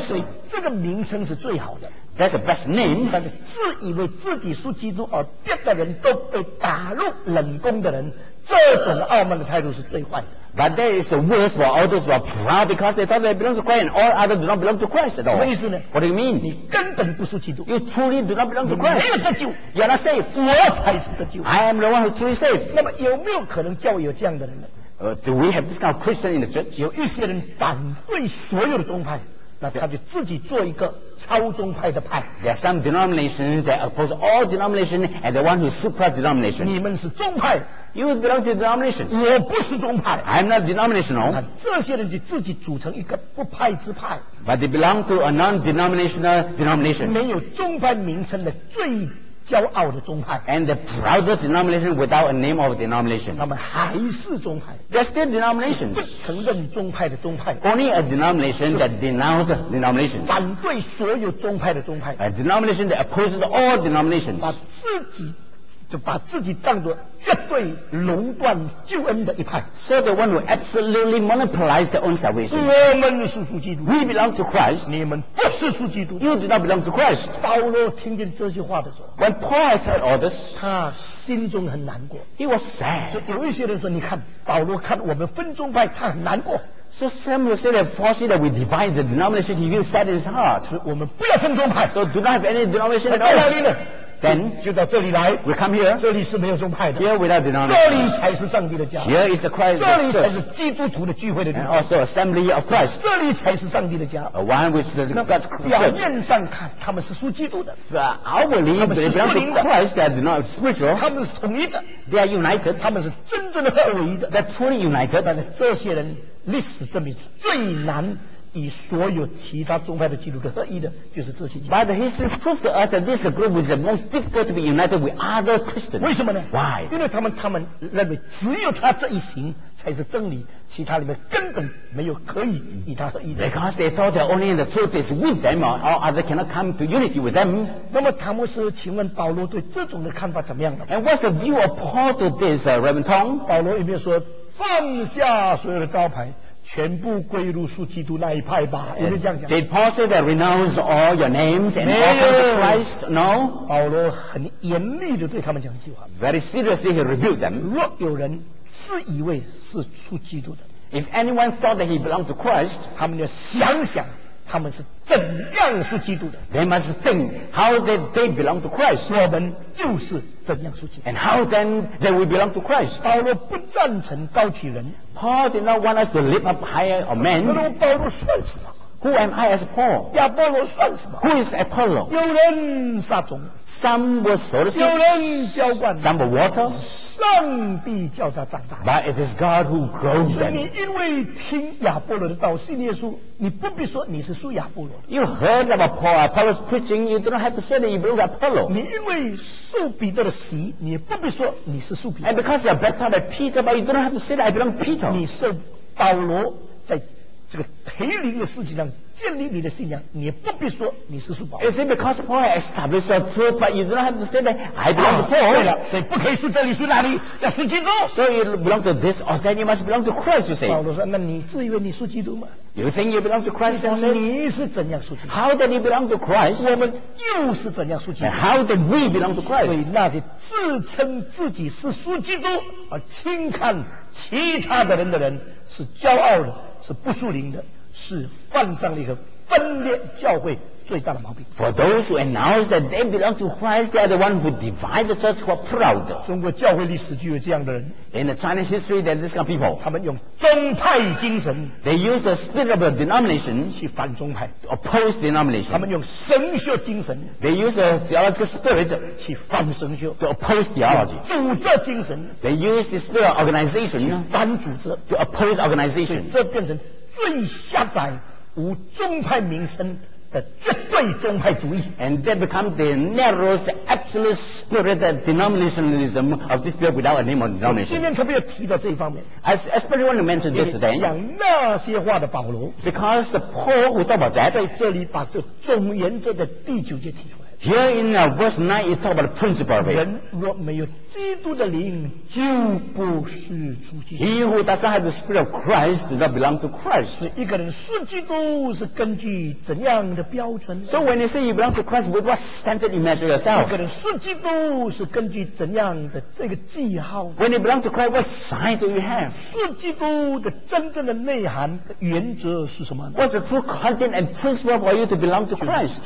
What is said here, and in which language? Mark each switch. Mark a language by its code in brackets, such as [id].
[zh] 所以这个名称是最好的 [en] That's the best name. [zh] 但是自以为自己属基督而别的人都被打入冷宫的人，这种傲慢的态度是最坏的。 [en] But that is the worst for all those who are proud because they thought they belong to Christ and all others do not belong to Christ at all. [zh] 什么意思呢？ [en] What do you mean? [zh] 你根本不属基督。 [en] You truly do not belong to Christ. [zh] 你没有得救。 [en] You are not saved. [zh] 我才是得救。 [en] I am the one who truly saved. [zh] 那么有没有可能教会有这样的人呢？ [en] Do we have this kind of Christian in the church? [zh] 有一些人反对所有的宗派，那他就自己做一个超宗派的派。 [en] There are some denominations that oppose all denominations and the one who super denomination. [zh] 你们是宗派。 [en] You belong to denomination. [zh] 我不是宗派。 [en] I'm not denominational. [zh] 这些人就自己组成一个不派之派。 [en] But they belong to a non-denominational denomination. [zh] 没有宗派名称的最骄傲的宗派。 [en] And the proudest denomination without a name of denomination. [zh] 他们还是宗派。 [en] They're still denominations. [zh] 不承认宗派的宗派。 [en] Only a denomination that denounces denominations. [zh] 反对所有宗派的宗派。 [en] A denomination that opposes all denominations. [zh] 把自己就把自己当作绝对垄断救恩的一派。 [en] So the one who absolutely monopolized their own salvation. [zh] 我们是属基督。 [en] We belong to Christ. [zh] 你们不是属基督。 [en] You do not belong to Christ. [zh] 保罗听见这些话的时候 [en] ，When Paul said all this， [zh] 他心中很难过。 [en] He was sad. [zh] 所以有一些人说，你看保罗看我们分宗派，他很难过。 [en] So some will say that falsely that we divide the denomination. He feels sad in his heart. [zh] 所以我们不要分宗派。 [en] So do not have any denomination at all. Then [zh] 就到这里来 [en] ，We come here。 [zh] 这里是没有宗派的 [en] ，Here without denomination。 [zh] 这里才是上帝的家 [en] ，Here is the Christ。 [zh] 这里才是基督徒的聚会的地方 [en] ，And also assembly of Christ。 [zh] 这里才是上帝的家 [en] ，A one with the God's Christ。 [zh] 表面上看他们是属基督的 [en] ，Outwardly they belong to Christ, they are not spiritual。 [zh] 他们是统一的 [en] ，They are united。 [zh] 他们是真正的合而为一的 [en] ，They're truly united。 [zh] 但是这些人历史证明最难。以所有其他宗派的基督徒合一的就是这些。 [en] But the history proves to us that this group is the most difficult to be united with other Christians. [zh] 为什么呢 [en] ？Why？ [zh] 因为他们认为只有他这一行才是真理，其他里面根本没有可以与他合一的。 [en] Because they thought that only the truth is with them, or all other cannot come to unity with them. [zh] 那么唐牧师，请问保罗对这种的看法怎么样呢 [en] ？And what's the view of Paul to this, Reverend Tong？ [zh] 保罗有没有说放下所有的招牌？全部归入属基督那一派吧，我是这样讲。 [en] Did Paul say that renounce all your names and all come to Christ? No. [zh] 保罗很严厉地对他们讲一句话。 [en] Very seriously he rebuked them. [zh] 若有人自以为是属基督的 [en] ，If anyone thought that he belonged to Christ， [zh] 他们要想想。他们是怎样是基督的。 [en] They must think how they belong to Christ. [zh] 我们就是怎样是基督。 [en] And how then they will belong to Christ. [zh] 保罗不赞成高举人。 [en] Paul did not want us to lift up higher a man. [zh] 那保罗算什么？ [en] Who am I as Paul? [zh] 亚波罗算什么？ [en] Who is Apollo? [zh] 有人撒种， [en] Some were sowed seeds. [zh] 有人浇灌， [en] Some were watered. [zh] 上帝叫他长大。 [en] But it is God who grows them. [zh] 所以你因为听亚波罗的道，信耶稣，你不必说你是属亚波罗。 [en] You heard about Paul. Apollo's preaching. You don't have to say that you belong to Apollo. [zh] 你因为受彼得的洗，你不必说你是属彼得。 [en] And because you're baptized by Peter, but you don't have to say that I belong to Peter. [zh] 你是保罗在。这个培灵的事情上建立你的信仰，你不必说你是属保罗。 [en] Is it because Paul established a truth, but you do not have to say that I belong to Paul? [zh] 对了，所以不可以属这里属那里，要属基督。 [en] So you belong to this or that, you must belong to Christ, you say. [zh] 保罗说，那你自以为你属基督吗？ [en] You think you belong to Christ? [zh] 你想说你是怎样属基督？ [en] How did you belong to Christ? [zh] 我们又是怎样属基督？ [en] And how did we belong to Christ? [zh] 所以那些自称自己是属基督而轻看其他的人的人是骄傲的，是不属灵的，是犯上了一个分裂教会最大的毛病。 [en] For those who announce that they belong to Christ, they are the one who divide the church who are proud. [zh] 中国教会历史就有这样的人。 [en] In the Chinese history, there are this kind of people. [zh] 他们用宗派精神。 [en] They use the spirit of a denomination [zh] 去反宗派。 [en] Oppose denomination. [zh] 他们用神学精神。 [en] They use the theological spirit [zh] 去反神学。 [en] To oppose theology. [zh] 组织精神。 [en] They use the spirit of organization [zh] 去反组织。 [en] To oppose organization. [zh] 这变成最狭窄无宗派名声。 The 绝对宗派主义 [en] and that become the narrowest, absolute spirit, the denominationalism of this spirit without a name or denomination. [zh] 今天特别要提到这一方面 [en] I especially want to mention this today. [zh] 讲那些话的保罗 [en] because Paul who talked about that [zh] 在这里把这总原则的第九节提出来 [en] Here in verse 9, he talked about the principle of it. [zh] 人若没有基督的灵，就不是属基督。 [en] He who does not have the spirit of Christ does not belong to Christ. [zh] 是一个人属基督是根据怎样的标准 [en] ？So when you say you belong to Christ, with what standard you measure yourself? [zh] 一个人属基督是根据怎样的这个记号 [en] ？When you belong to Christ, what sign do you have? [zh] 属基督的真正的内涵原则是什么 [en] ？What's the true content and principle for you to belong to Christ?